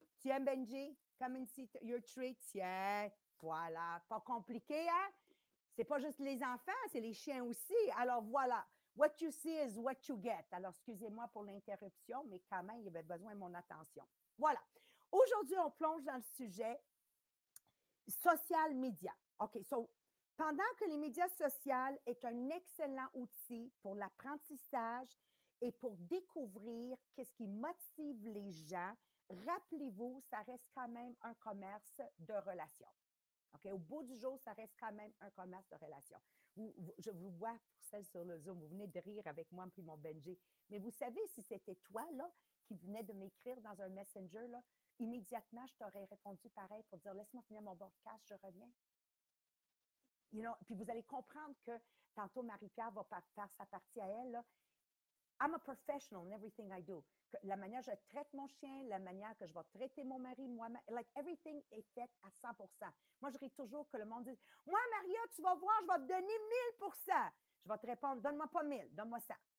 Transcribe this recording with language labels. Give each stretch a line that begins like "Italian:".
English: Tiens, Benji, come and see your treat.
French: Tiens, voilà. Pas compliqué, hein? C'est pas juste les enfants, c'est les chiens aussi. Alors, voilà.
English: What you see is what you get.
French: Alors, excusez-moi pour l'interruption, mais quand même, il y avait besoin de mon attention. Voilà. Aujourd'hui, on plonge dans le sujet social media.
English: OK, so,
French: pendant que les médias sociaux est un excellent outil pour l'apprentissage, et pour découvrir qu'est-ce qui motive les gens, rappelez-vous, ça reste quand même un commerce de relations. Okay? Au bout du jour, ça reste quand même un commerce de relations. Je vous vois, pour celles sur le Zoom, vous venez de rire avec moi puis mon Benji, mais vous savez, si c'était toi là, qui venais de m'écrire dans un messenger, là, immédiatement, je t'aurais répondu pareil pour dire « Laisse-moi finir mon podcast, je reviens. »
English: You know?
French: Puis vous allez comprendre que tantôt, Marie-Pierre va faire sa partie à elle, là,
English: I'm a professional in everything I do.
French: La manière que je traite mon chien, la manière que je vais traiter mon mari, moi,
English: like everything
French: est fait à 100%. Moi, je ris toujours que le monde dit, moi, Maria, tu vas voir, je vais te donner 1000%. Je vais te répondre, donne-moi pas 1000, donne-moi 100.